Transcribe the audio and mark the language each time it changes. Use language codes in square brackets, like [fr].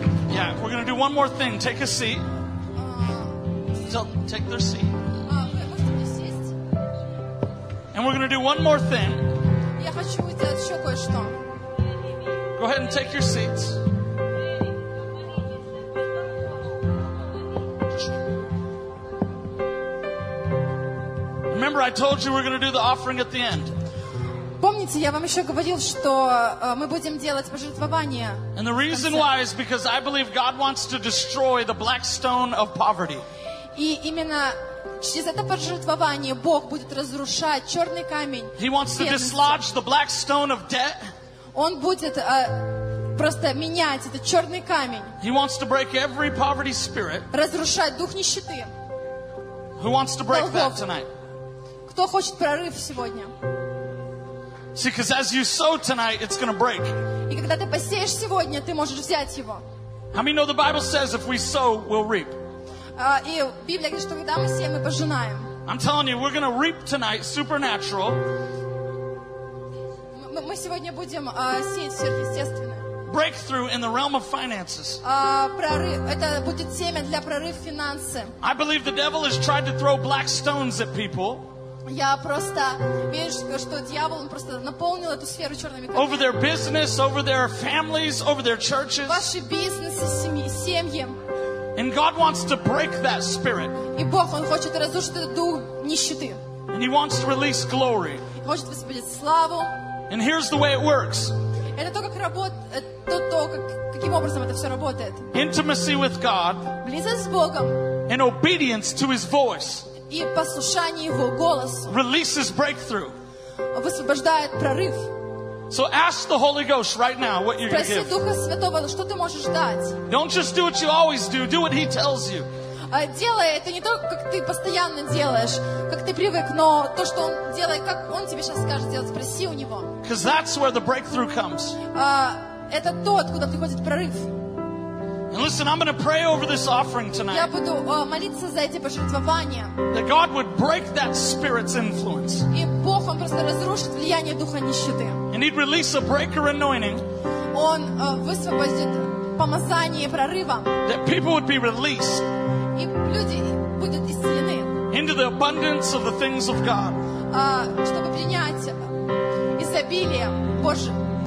[en] Yeah, we're going to do one more thing. Take a seat. Take their seat. And we're going to do one more thing. [ru] Я хочу сделать еще кое-что. [en] Go ahead and take your seats. Remember, I told you we're going to do the offering at the end. [ru] Помните, я вам еще говорил, что мы будем делать пожертвование. [en] And the reason why is because I believe God wants to destroy the black stone of poverty. [ru] И именно через это пожертвование Бог будет разрушать черный камень. [en] He wants to dislodge the black stone of debt. [ru] Он будет просто менять этот черный камень. [en] He wants to break every poverty spirit. [ru] Разрушать дух нищеты. [en] Who wants to break that tonight? [ru] Кто хочет прорыв сегодня? [en] See, because as you sow tonight, it's going to break. [ru] И когда ты посеешь сегодня, ты можешь взять его. [en] How many know the Bible says if we sow, we'll reap? [ru] И Библия говорит, что когда мы сеем, мы пожинаем. [en] I'm telling you, we're going to reap tonight, supernatural. [ru] Мы сегодня будем сеять сверхъестественное. [en] Breakthrough in the realm of finances. [ru] Это будет семя для прорыв финансы. [en] I believe the devil has tried to throw black stones at people. [ru] Я просто верю, что дьявол, он просто наполнил эту сферу черными камнями. [en] Over their business, over their families, over their churches. [ru] Ваши бизнесы, семьи. [en] And God wants to break that spirit. [ru] И Бог, он хочет разрушить этот дух нищеты. [en] And he wants to release glory. [ru] Хочет высвободить славу. [en] And here's the way it works. [ru] Это то, как работает, каким образом это все работает. [en] Intimacy with God. [ru] Близость с Богом. [en] And obedience to his voice. [ru] И послушание его голосу. [en] Releases breakthrough. [ru] Высвобождает прорыв. [en] So ask the Holy Ghost right now what you're going to give. [ru] Спроси Духа Святого, что ты можешь дать. [en] Don't just do what you always do. Do what he tells you. [ru] Делай это не то, как ты постоянно делаешь, как ты привык, но то, что он делает, как он тебе сейчас скажет делать. Спроси у него. [en] Because that's where the breakthrough comes. [ru] Это то, откуда приходит прорыв. [en] And listen, I'm going to pray over this offering tonight. [ru] Я буду молиться за эти пожертвования. [en] That God would break that spirit's influence. [ru] И Бог, он просто разрушит влияние духа нищеты. [en] And he'd release a breaker anointing. [ru] Он высвободит помазание прорыва. [en] That people would be released. [ru] И люди будут исцелены. [en] Into the abundance of the things of God. [ru] Чтобы принять изобилие Божьего.